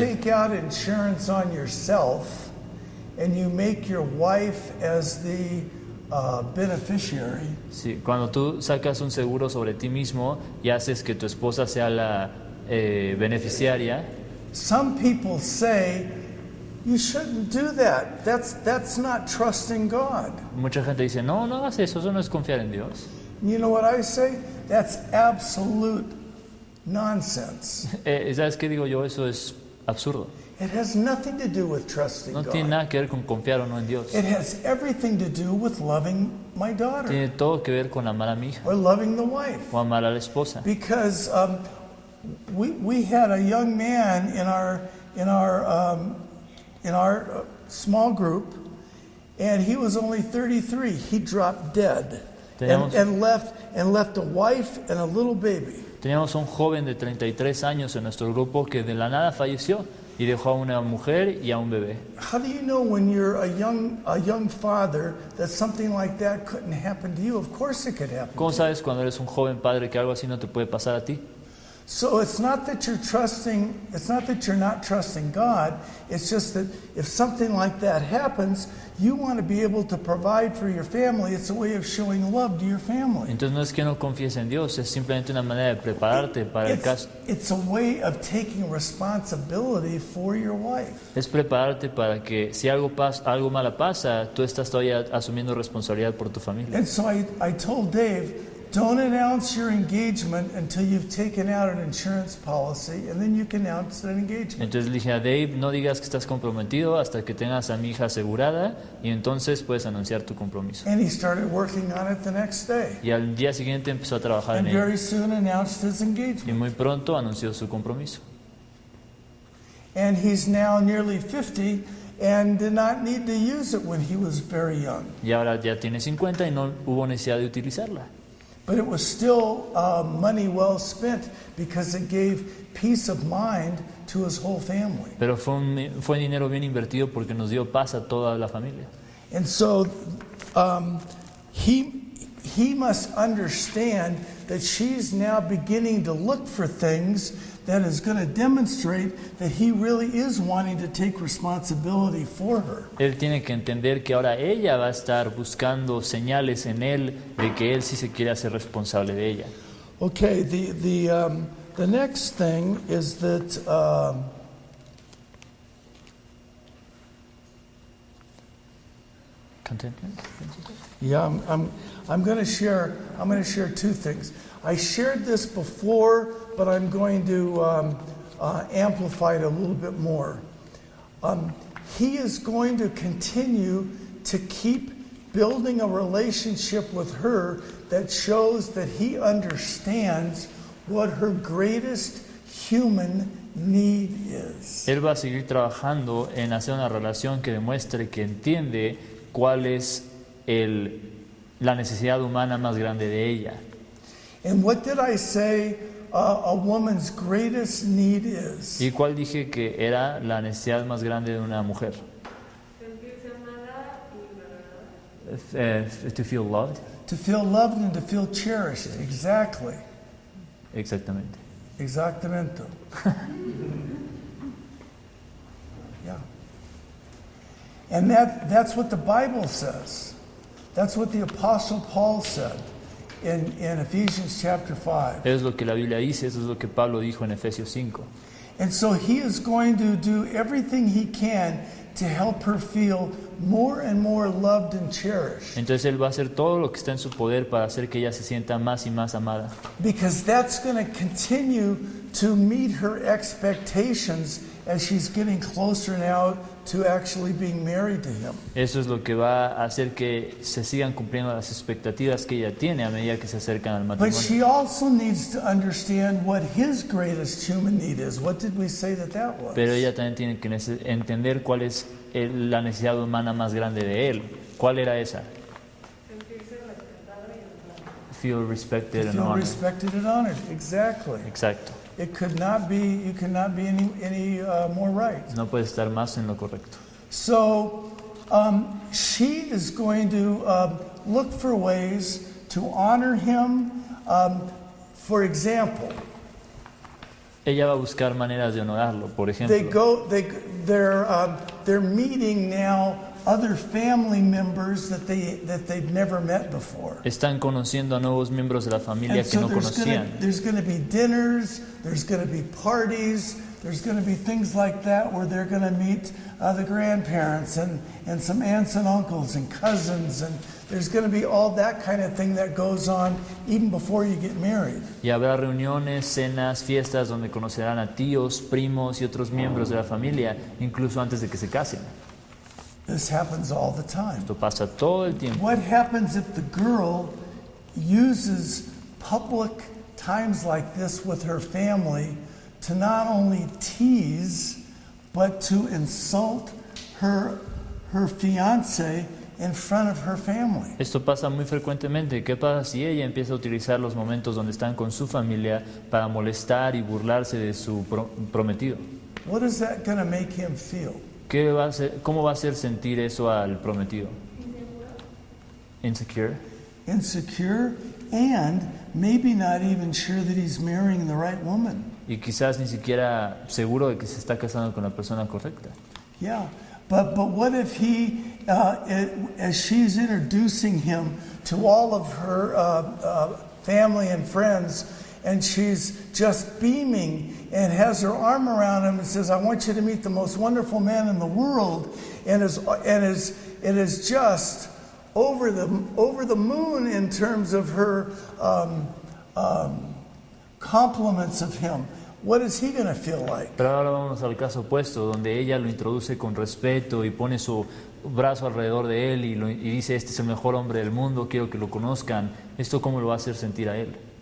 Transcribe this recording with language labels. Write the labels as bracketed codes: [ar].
[en] You take out insurance on yourself and you make your wife as the beneficiary. [es] Sí, cuando tú sacas un seguro sobre ti mismo y haces que tu esposa sea la beneficiaria. [en] Some people say you shouldn't do that. That's not trusting God. [es] Mucha gente dice, "No, no hagas eso, eso no es confiar en Dios." [en] You know what I say? That's absolute nonsense. [es] ¿Sabes qué digo yo? Eso es absurdo. [en] It has nothing to do with trusting God. [es] No tiene nada que ver con confiar o no en Dios. [en] It has everything to do with loving my daughter. [es] Tiene todo que ver con amar a mi hija. [en] Or loving the wife. [es] O amar a la esposa. [en] Because we had a young man in our small group, and he was only 33. He dropped dead. and left a wife and a little baby. [es] Teníamos un joven de 33 años en nuestro grupo que de la nada falleció y dejó a una mujer y a un bebé. [en] How do you know when you're a young father that something like that couldn't happen to you? Of course it could happen. [es] ¿Cómo sabes cuando eres un joven padre que algo así no te puede pasar a ti? [en] So it's not that you're not trusting God. It's just that if something like that happens, you want to be able to provide for your family. It's a way of showing love to your family. [es] Entonces no es que no confíes en Dios, es simplemente una manera de prepararte para el caso. [en] It's a way of taking responsibility for your wife. [es] Es prepararte para que si algo malo pasa, tú estás todavía asumiendo responsabilidad por tu familia. [en] And so I told Dave, don't announce your engagement until you've taken out an insurance policy, and then you can announce an engagement. [es] Entonces le dije a Dave, no digas que estás comprometido hasta que tengas a mi hija asegurada, y entonces puedes anunciar tu compromiso. [en] And he started working on it the next day. [es] Y al día siguiente empezó a trabajar en él. [en] And very soon announced his engagement. [es] Y muy pronto anunció su compromiso. [en] And he's now nearly 50. And did not need to use it when he was very young. [es] Y ahora ya tiene 50 y no hubo necesidad de utilizarla. [en] But it was still money well spent because it gave peace of mind to his whole family. [es] Pero fue dinero bien invertido porque nos dio paz a toda la familia. [en] And so he must understand that she's now beginning to look for things that is going to demonstrate that he really is wanting to take responsibility for her. [es] Él tiene que entender que ahora ella va a estar buscando señales en él de que él sí se quiere hacer responsable de ella. [en] Okay, the next thing is that contentment. Yeah, I'm going to share two things. I shared this before, but I'm going to amplify it a little bit more. He is going to continue to keep building a relationship with her that shows that he understands what her greatest human need is. [es] Él va a seguir trabajando en hacer una relación que demuestre que entiende cuál es la necesidad humana más grande de ella. [en] And what did I say a woman's greatest need is? [es] ¿Y cuál dije que era la necesidad más grande de una mujer? Sentirse amada y valorada. [en] To feel loved. To feel loved and to feel cherished. Yes. Exactly. [es] Exactamente. Exactamente. [en] Yeah. And that's what the Bible says. That's what the Apostle Paul said. In Ephesians chapter 5. [es] Es lo que la Biblia dice, eso es lo que Pablo dijo en Efesios 5. [en] And so he is going to do everything he can to help her feel more and more loved and cherished. [es] Entonces él va a hacer todo lo que está en su poder para hacer que ella se sienta más y más amada. [en] Because that's going to continue to meet her expectations as she's getting closer now to actually being married to him. [es] Eso es lo que va a hacer que se sigan cumpliendo las expectativas que ella tiene a medida que se acercan al matrimonio. [en] But she also needs to understand what his greatest human need is. What did we say that was? [es] Pero ella también tiene que entender cuál es la necesidad humana más grande de él. ¿Cuál era esa? [en] Feel respected and honored. Exactly. [es] Exacto. [en] It could not be. You cannot be any more right. [es] No puede estar más en lo correcto. [en] So, she is going to look for ways to honor him. For example, [es] ella va a buscar maneras de honorarlo. Por ejemplo, [en] they're meeting now other family members that they've never met before. [es] Están conociendo a nuevos miembros de la familia [en] and [es] que [en] so [es] no [en] there's [es] conocían. [en] There's going to be dinners. There's going to be parties. There's going to be things like that where they're going to meet the grandparents and some aunts and uncles and cousins. And there's going to be all that kind of thing that goes on even before you get married. [es] Y habrá reuniones, cenas, fiestas donde conocerán a tíos, primos y otros miembros de la familia, incluso antes de que se casen. [en] This happens all the time. [es] Esto pasa todo el tiempo. [en] What happens if the girl uses public times like this with her family to not only tease but to insult her fiance in front of her family. [es] Esto pasa muy frecuentemente. ¿Qué pasa si ella empieza a utilizar los momentos donde están con su familia para molestar y burlarse de su prometido? [en] What is that going to make him feel? [es] ¿Qué va a ser, cómo va a hacer sentir eso al prometido? [en] Insecure. Insecure and maybe not even sure that he's marrying the right woman. [es] Y quizás ni siquiera seguro de que se está casando con la persona correcta. [en] Yeah. But what if he as she's introducing him to all of her family and friends, and she's just beaming and has her arm around him and says, "I want you to meet the most wonderful man in the world," and is just over the moon in terms of her compliments of him. What is he going to feel like? [es] Pero ahora vamos al caso opuesto, donde ella lo introduce con respeto y pone su brazo alrededor de él y dice, este es el mejor hombre del mundo, quiero que lo conozcan. ¿Esto cómo lo va a hacer sentir a él?